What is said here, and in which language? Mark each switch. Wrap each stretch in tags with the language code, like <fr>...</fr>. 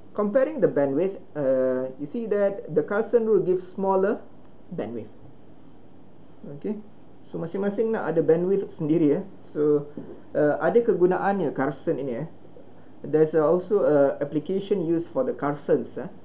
<en>comparing the bandwidth, you see that the Carson rule gives smaller bandwidth.</en> <ms>Okay, so masing-masing nak ada bandwidth sendiri ya. So ada kegunaannya Carson ini ya.</ms> <en>There's also a application used for the Carsons.</en>